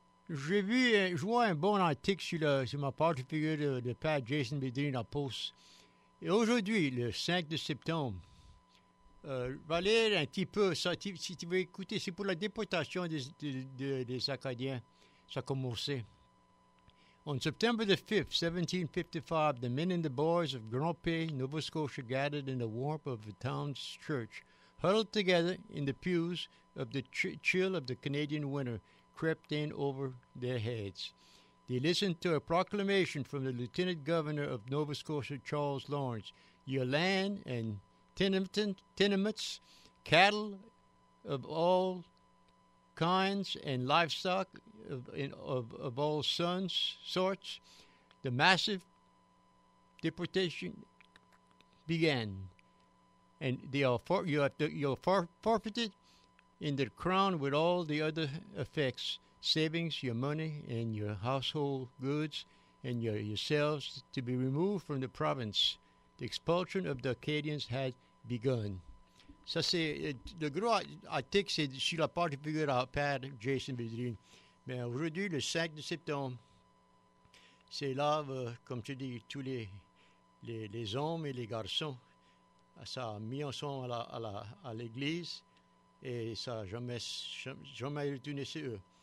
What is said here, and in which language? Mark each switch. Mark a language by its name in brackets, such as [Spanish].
[French] J'ai vu, je vois un bon article sur ma page figure de Pat Jason Bedrine à Post. Et aujourd'hui, le 5 de septembre, va lire un petit peu, ça, si tu veux écouter, c'est pour la déportation des Acadiens, ça a commencé. [English] On September the 5th, 1755, the men and the boys of Grand Prairie, Nova Scotia, gathered in the warmth of the town's church, huddled together in the pews of the chill of the Canadian winter, crept in over their heads. They listened to a proclamation from the Lieutenant Governor of Nova Scotia, Charles Lawrence. Your land and tenements, cattle of all kinds and livestock of all sorts, the massive deportation began. And they are forfeited in the crown with all the other effects, savings, your money, and your household goods, and yourselves to be removed from the province. The expulsion of the Acadians had begun. [French] Ça, c'est le gros article, c'est sur la partie figure à Père Jason Bedrine. Mais aujourd'hui, le 5 de septembre, c'est là, comme tu dis, tous les hommes et les garçons, ça a mis ensemble à l'église et ça n'a jamais retourné chez eux.